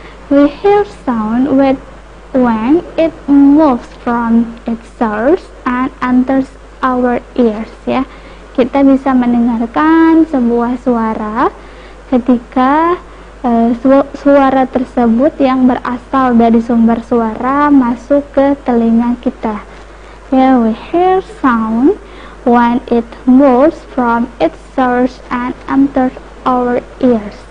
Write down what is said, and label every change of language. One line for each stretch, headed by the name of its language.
English: We hear sound when it moves from its source and enters our ears.
Indonesian: Ya, kita bisa mendengarkan sebuah suara ketika suara tersebut yang berasal dari sumber suara masuk ke telinga kita.
English: Ya, we hear sound when it moves from its source and enters our ears.